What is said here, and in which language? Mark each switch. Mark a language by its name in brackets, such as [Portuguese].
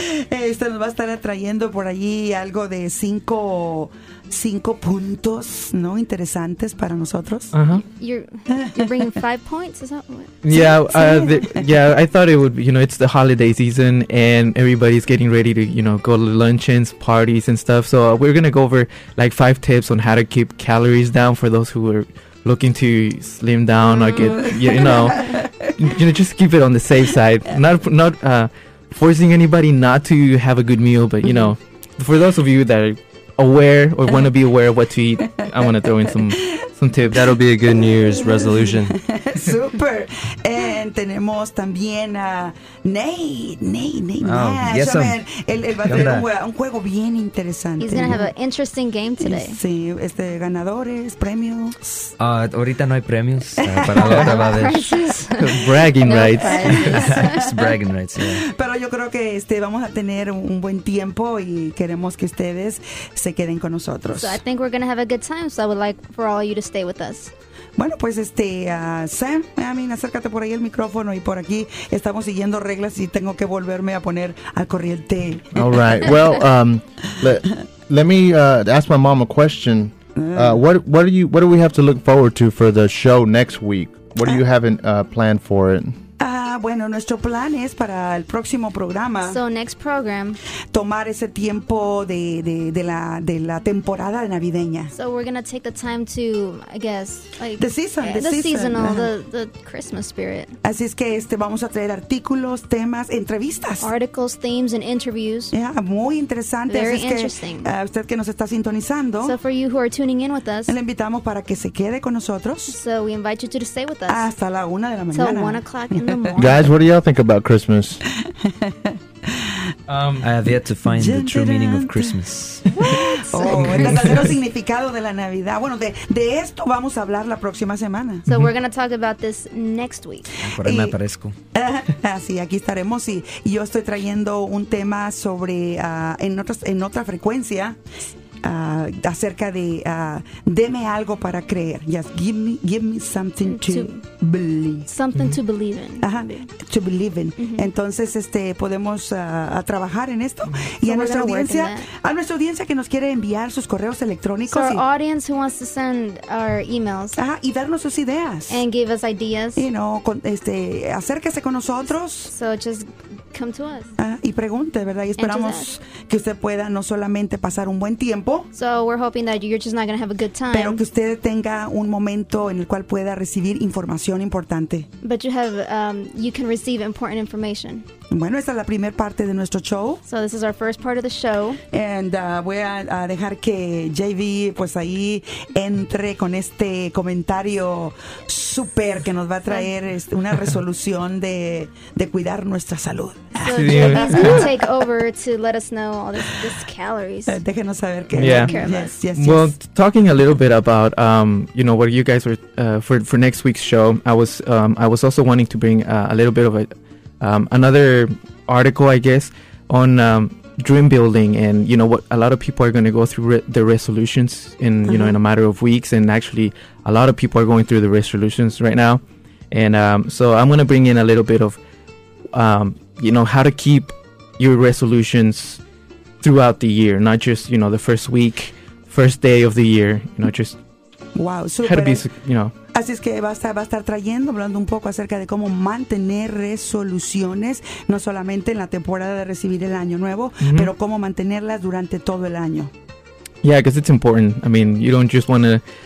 [Spanish] Este nos va a estar trayendo por allí algo de cinco puntos, ¿no? Interesantes para nosotros. Uh-huh. [English] You're bringing 5 points? Is that what? Yeah, I thought it would, you know, it's the holiday season and everybody's getting ready to, you know, go to luncheons, parties and stuff. So we're going to go over like 5 tips on how to keep calories down for those who are... looking to slim down or get, you know, just keep it on the safe side. Not forcing anybody not to have a good meal, but, you know, for those of you that are aware or want to be aware of what to eat, I want to throw in some tips. That'll be a good New Year's resolution. Super. And [Spanish] tenemos también a Nate. [English] Oh, yes, [Spanish] a ver, él va a tener un juego bien interesante. [English] He's going to have an interesting game today. [Spanish] Sí, ganadores, premios. Ahorita no hay premios. Para la otra va a haber. [English] Bragging rights. Just bragging rights, yeah. [Spanish] Pero yo creo que vamos a tener un buen tiempo y queremos que ustedes se queden con nosotros. [English] So I think we're going to have a good time, so I would like for all of you to stay with us. [Spanish] Bueno, pues Sam, acércate por ahí el micrófono y por aquí estamos siguiendo reglas y tengo que volverme a poner al corriente. [English] All right. Well, let me ask my mom a question. What do we have to look forward to for the show next week? What do you have planned for it? [Spanish] Bueno, nuestro plan es para el próximo programa. [English] So next program. [Spanish] Tomar ese tiempo de la temporada navideña. [English] So we're gonna take the time to, I guess, like the season, seasonal, the Christmas spirit. [Spanish] Así es que vamos a traer artículos, temas, entrevistas. [English] Articles, themes, and interviews. Yeah, [Spanish] muy interesante. [English] Very [Spanish] Así es [English] interesting. [Spanish] Que, usted que nos está sintonizando. [English] So for you who are tuning in with us. [Spanish] Le invitamos para que se quede con nosotros. [English] So we invite you to stay with us. [Spanish] Hasta la una de la mañana. [English] Till 1 o'clock in the morning. Guys, what do y'all think about Christmas? I have yet to find the true meaning of Christmas. What? [Spanish] Oh, el verdadero significado de la Navidad. Bueno, de esto vamos a hablar la próxima semana. [English] So we're going to talk about this next week. [Spanish] Por ahí me aparezco. Sí, aquí estaremos. Y yo estoy trayendo un tema sobre, en otra frecuencia, acerca de, deme algo para creer. [English] Yes, give me something to believe. Something to believe in. To believe in. Mm-hmm. [Spanish] Entonces, podemos a trabajar en esto. Y a nuestra audiencia que nos quiere enviar sus correos electrónicos. [English] So our audience who wants to send our emails. [Spanish] Ajá, y darnos sus ideas. [English] And give us ideas. You know, [Spanish] acérquese con nosotros. [English] So just come to us. [Spanish] Y pregunte, ¿verdad? Y esperamos que usted pueda no solamente pasar un buen tiempo. [English] So we're hoping that you're just not going to have a good time. [Spanish] Pero que usted tenga un momento en el cual pueda recibir información importante. [English] But you can receive important information. [Spanish] Bueno, esta es la primera parte de nuestro show. [English] So this is our first part of the show. And [Spanish] voy a dejar que JV pues ahí entre con este comentario super que nos va a traer una resolución de cuidar nuestra salud. [English] So JV's going to take over to let us know all this calories. [Spanish] Déjenos saber. [English] Well, talking a little bit about you know, what you guys were for next week's show, I was also wanting to bring a little bit of another article, I guess, on dream building, and you know what a lot of people are going to go through their resolutions in you know, in a matter of weeks, and actually a lot of people are going through the resolutions right now, and so I'm going to bring in a little bit of you know, how to keep your resolutions throughout the year, not just, you know, the first week, first day of the year, you know, just wow, super. How to be, you know. [Spanish] Así es que va a estar trayendo, hablando un poco acerca de cómo mantener resoluciones, no solamente en la temporada de recibir el año nuevo, pero cómo mantenerlas durante todo el año. [English] Yeah, because it's important. I mean, you don't just want to...